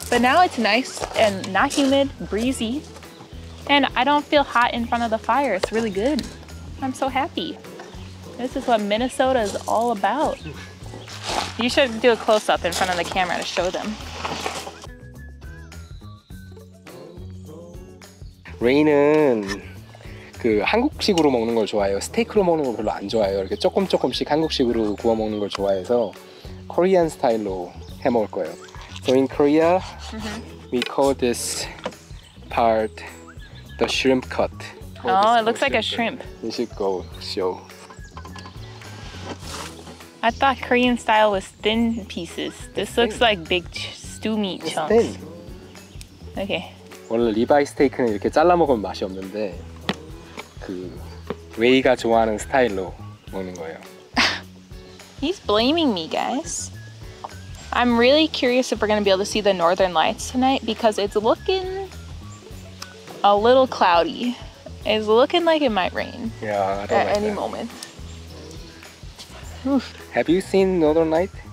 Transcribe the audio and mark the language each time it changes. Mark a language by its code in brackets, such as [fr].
[en] But now it's nice and not humid, breezy. And I don't feel hot in front of the fire. It's really good. I'm so happy. This is what Minnesota is all about. You should do a close-up in front of the camera to show them. [ko] Ray는 그 한국식으로 먹는 걸 좋아해요. 스테이크로 먹는 걸 별로 안 좋아해요. 이렇게 조금씩 한국식으로 구워 먹는 걸 좋아해서 Korean 스타일로 해 먹을 거예요. [en] So in Korea, we call this part the shrimp cut. Oh, it looks like a shrimp. You should go show. I thought Korean style was thin pieces. This looks like big stew meat chunks. It's thin. Okay. [ko] 원래 리바이 스테이크는 이렇게 잘라 먹으면 맛이 없는데 그 레이가 좋아하는 스타일로 먹는 거예요. [en] He's blaming me, guys. I'm really curious if we're going to be able to see the northern lights tonight because it's looking a little cloudy. It's looking like it might rain. Yeah, I don't at like any that. Moment. Oof. Have you seen Northern Light?